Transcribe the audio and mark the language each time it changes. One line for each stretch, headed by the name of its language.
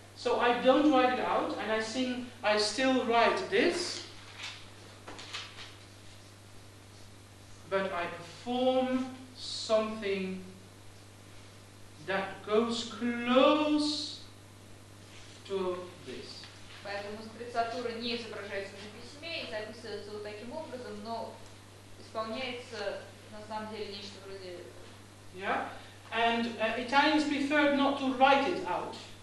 English: So I don't write it out, and I sing. I still write this, but I perform something that goes close to this.
Russian: Поэтому сprezzatura не изображается на письме и записывается вот таким образом, но исполняется на самом деле нечто вроде.
English: Yeah, and Italians preferred not to write it out.